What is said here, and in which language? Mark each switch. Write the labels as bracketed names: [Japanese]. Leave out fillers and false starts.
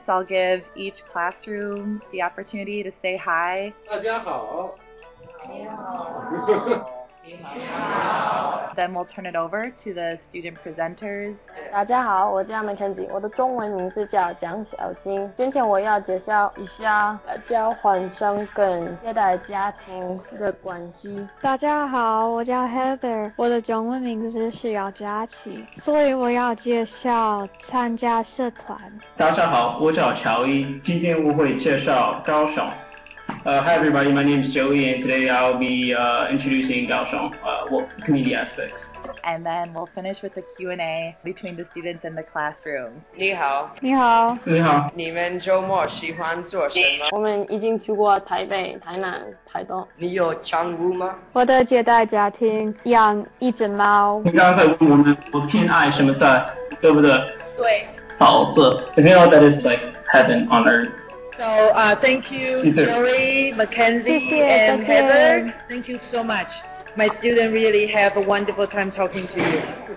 [English] So I'll give each classroom the opportunity to say hi. [Chinese] 大家好。 [English] Then we'll turn it over to the student presenters. [Chinese] 大家好，我叫 Mackenzie， 我的中文名字叫蒋小金。今天我要介绍一下交换生跟接待家庭的关系。大家好，我叫 Heather， 我的中文名字是姚佳琪，所以我要介绍参加社团。大家好，我叫乔伊，今天我会介绍高雄。 [English] Hi everybody, my name is Joey, and today I'll be introducing Kaohsiung, what community aspects. And then we'll finish with the Q&A between the students and the classroom. [Chinese] 你好，你好，你好。你们周末喜欢做什么？我们已经去过台北、台南、台东。你有宠物吗？我的接待家庭养一只猫。你刚才问我们，我偏爱什么菜，对不对？对。好吃。 [English] You know that is like heaven on earth. So, thank you, Joey, Mackenzie, and Heather. Thank you so much. My students really have a wonderful time talking to you.